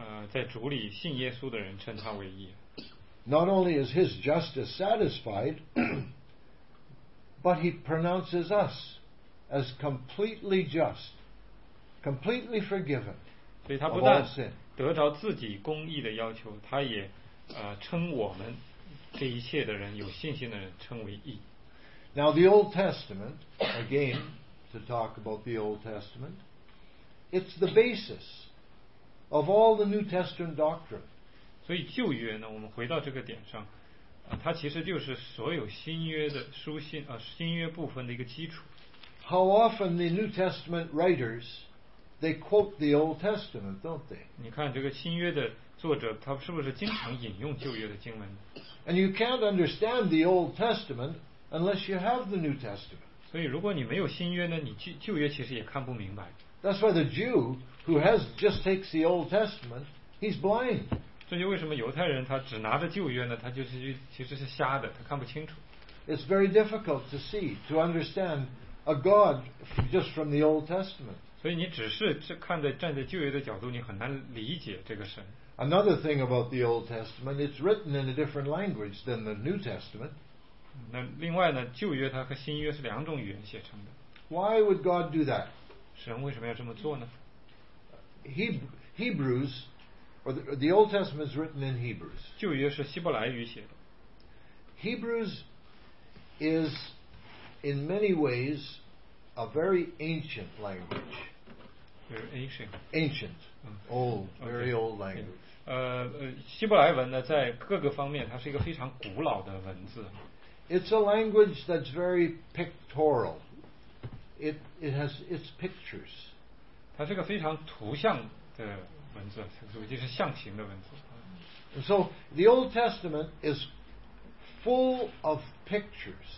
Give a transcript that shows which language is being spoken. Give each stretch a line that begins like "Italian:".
Chinese: 在主里信耶稣的人称他为义。
English: Not only is his justice satisfied, but he pronounces us as completely just, completely forgiven.
Chinese: 所以他不但得着自己公义的要求，他也称我们这一切的人有信心的人称为义。
English: Now the Old Testament, again to talk about the Old Testament, it's the basis of all the New Testament doctrine.
Chinese: 所以旧约呢，我们回到这个点上，它其实就是所有新约的书信，新约部分的一个基础。
English: How often the New Testament writers, they quote the Old Testament, don't they?
Chinese: 你看这个新约的作者，他是不是经常引用旧约的经文？
English: And you can't understand the Old Testament unless you have the New Testament.
Chinese: 所以如果你没有新约呢，你旧约其实也看不明白。
English: That's why the Jew who has just takes the Old Testament, he's blind.
Chinese: 这就为什么犹太人他只拿着旧约呢？他就是其实是瞎的，他看不清楚。
English: It's very difficult to see, to understand a God just from the Old Testament.
Chinese: 所以你只是看在站在旧约的角度，你很难理解这个神。
English: Another thing about the Old Testament, it's written in a different language than the New Testament.
Chinese: 那另外呢，旧约它和新约是两种语言写成的。
English: Why would God do that?
Chinese: 神为什么要这么做呢？
English: Hebrews, or the Old Testament is written in Hebrews.
Chinese: 旧约是希伯来语写的。
English: Hebrews is, in many ways, a very ancient language. Very ancient. Ancient. Old. Very old language.
Chinese: 希伯来文呢，在各个方面，它是一个非常古老的文字。
English: It's a language that's very pictorial. It has its pictures.
Chinese: 它是个非常图像的文字，尤其是象形的文字。
English: So the Old Testament is full of pictures.